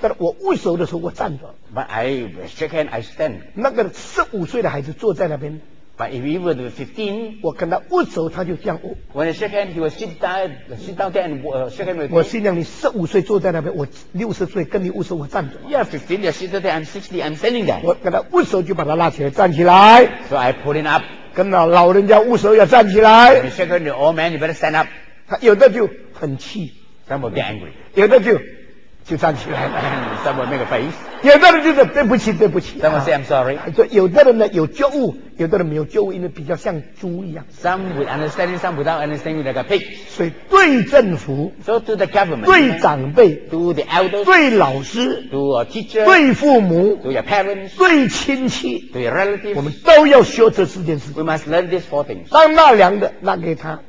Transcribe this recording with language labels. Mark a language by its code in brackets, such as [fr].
[zh] 但我握手的时候我站着 [en] But I shake hands, I stand. [zh] 那个十五岁的孩子坐在那边 [en] But if he were to be 15, [zh] 我跟他握手他就这样握 [en] When I shake hands, he will sit down there and shake hands with me. [zh] 我心想你十五岁坐在那边我六十岁跟你握手我站着 [en] Yeah, 15, you're seated there, I'm 60, I'm standing there. [zh] 我跟他握手就把他拉起来站起来 [en] So I pull him up. [zh] 跟老人家握手要站起来 [en] When you shake hands with the old man, you better stand up. [zh] 他有的就很气 [en] Some will get angry. [zh] 有的就站起来了 [en] Some will make a face. [zh] 有的人就是对不起对不起 [en] Some will say I'm sorry. [zh] 所以有的人呢有觉悟有的人没有觉悟因为比较像猪一样 [en] Some with understanding some without understanding like a pig. [zh] 所以对政府 [en] So to the government. [zh] 对长辈 [en] To the elders. [zh] 对老师 [en] To a teacher. [zh] 对父母 [en] To your parents. [zh] 对亲戚 [en] To your relatives. [zh] 我们都要学这四件事 [en] We must learn these four things. [zh] 当纳粮的纳给他